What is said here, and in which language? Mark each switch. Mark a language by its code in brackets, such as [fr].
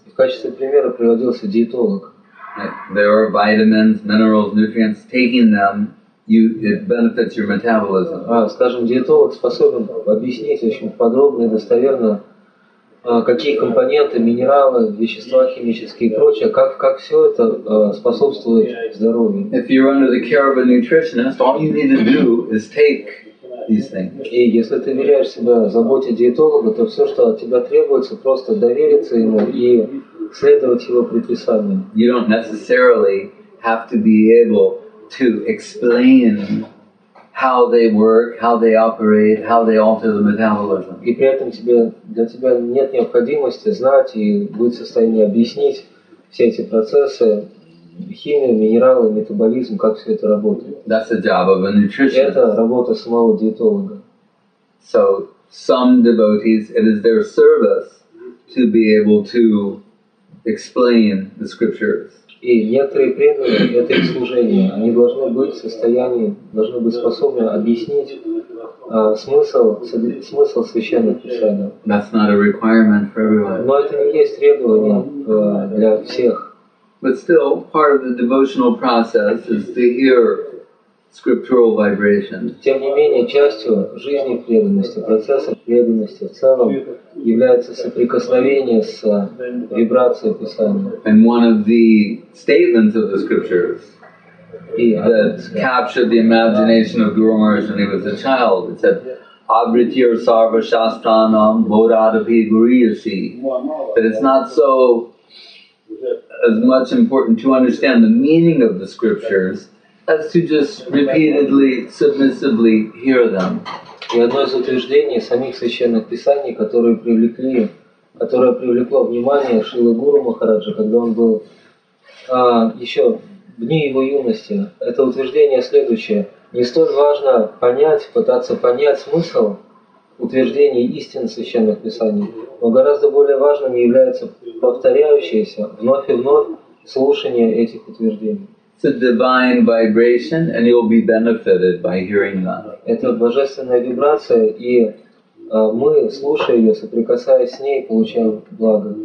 [ru] В качестве примера приводился диетолог. [en] There are vitamins, minerals, nutrients. Taking them, it benefits your metabolism. [ru] Скажем, диетолог способен объяснить очень подробно и достоверно, какие компоненты, минералы, вещества химические и прочее, как все это способствует здоровью. [en] If you're under the care of a nutritionist, all you need to do is take these things. [ru] И если ты веряешь себя заботе диетолога, то все, что от тебя требуется, просто довериться ему и следовать его предписаниям. [en] You don't necessarily have to be able to explain how they work, how they operate, how they alter the metabolism. [ru] И при этом для тебя нет необходимости знать и быть в состоянии объяснить все эти процессы. Химию, минералы, метаболизм, как все это работает. [en] That's the job of a nutritionist. [ru] Это работа самого диетолога. [en] So some devotees, it is their service to be able to explain the scriptures. [ru] И некоторые преданные, это их служение. Они должны быть в состоянии, должны быть способны объяснить смысл священных писаний. [en] That's not a requirement for everyone. [ru] Но это не есть требование для всех. [en] But still, part of the devotional process is to hear scriptural vibrations. [ru] Тем не менее, частью жизни преданности, процесса преданности в целом является соприкосновение с вибрацией Писания. [en] And one of the statements of the scriptures that captured the imagination of Guru Maharaj when he was a child, it said, [sa] "Abritir sarva shastanam bodhadapi guriyasi." [en] That it's not so as much important to understand the meaning of the scriptures as to just repeatedly, submissively hear them. [ru] И одно из утверждений самих священных писаний, которое привлекло внимание Шрилы Гуру Махараджа, когда он был еще в дни его юности, это утверждение следующее. Не столь важно пытаться понять смысл утверждений истин священных писаний, но гораздо более важным является повторяющееся вновь и вновь слушание этих утверждений. [en] It's a divine vibration, and you'll be benefited by hearing that. [ru] Это божественная вибрация, и мы, слушая ее, соприкасаясь с ней, получаем благо.